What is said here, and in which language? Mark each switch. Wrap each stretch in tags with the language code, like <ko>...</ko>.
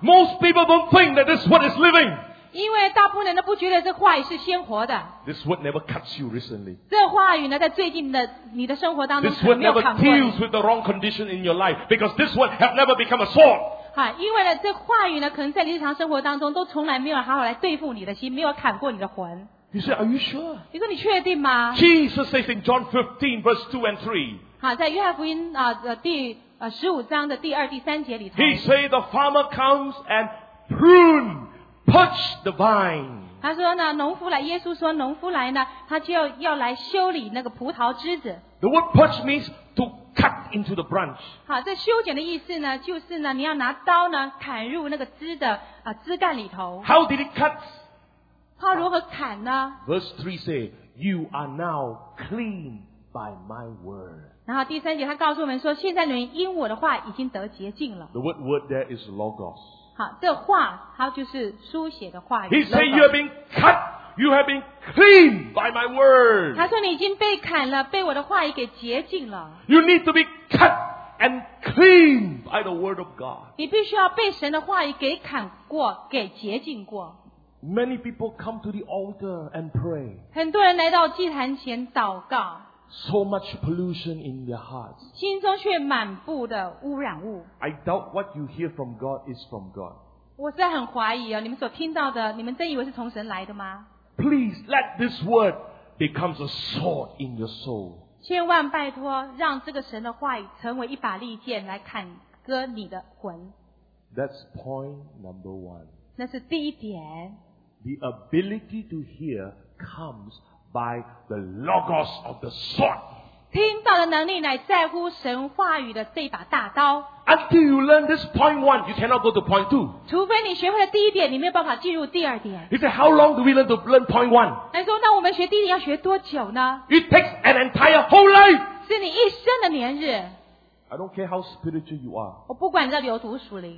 <en>Most people don't think that this word is living.</en> <zh>因为大部分人都不觉得这话语是鲜活的。</zh> <en>This word never cuts you recently.</en> <zh>这话语呢，在最近的你的生活当中，</zh> <en>This word never deals with the wrong condition in your life because this word has never become a sword.</en> <zh>因为呢，这话语呢，可能在日常生活当中都从来没有好好来对付你的心，没有砍过你的魂。</zh> <en>You say, are you sure?</en> <zh>你说你确定吗？</zh> <en>Jesus says in John 15, verse 2 and 3.</en> <zh>在约翰福音第15章的第2、第3节里头。</zh> <en>He says the farmer comes and prunes. Purge the vine.</en> <zh>他说呢，农夫来，耶稣说，农夫来呢，他就要来修理那个葡萄枝子。</zh> <en>The word purge means to cut into the branch.</en> <zh>好，这修剪的意思呢，就是呢，你要拿刀呢，砍入那个枝的枝干里头。</zh> <en>How did it cut?</en> <zh>他如何砍呢？</zh> <en>Verse 3 say, "You are now clean by my word."</en> <zh>然后第三节他告诉我们说现在你们因我的话已经得洁净了</zh> <en>The word there is logos</en> <zh>好这话它就是书写的话语</zh> <en>He said you have been cut You have been cleaned by my word</en> <zh>他说你已经被砍了被我的话语给洁净了</zh> <en>You need to be cut and cleaned by the word of God</en> <zh>你必须要被神的话语给砍过给洁净过</zh> <en>Many people come to the altar and pray.</en> <zh>很多人来到祭坛前祷告。</zh> <en>So much pollution in their hearts.</en> <zh>心中却满布的污染物。</zh> <en>I doubt what you hear from God is from God.</en> <zh>我是很怀疑哦，你们所听到的，你们真以为是从神来的吗？</zh> <en>Please let this word become a sword in your soul.</en> <zh>千万拜托，让这个神的话语成为一把利剑来砍割你的魂。</zh> <en>That's point number one.</en> <zh>那是第一点。</zh> <en>The ability to hear comes by the logos of the sword.</en> <zh>听到的能力乃在乎神话语的这把大刀。</zh> <en>Until you learn this point one, you cannot go to point two.</en> <zh>除非你学会了第一点，你没有办法进入第二点。</zh> <en>He said, "How long do we learn to learn point one?"</en> <zh>他说，那我们学第一点要学多久呢</zh> <en>？It takes an entire whole life.</en> <zh>是你一生的年日。</zh> <en>I don't care how spiritual you are.</en> <zh>我不管你在里头读属灵。</zh>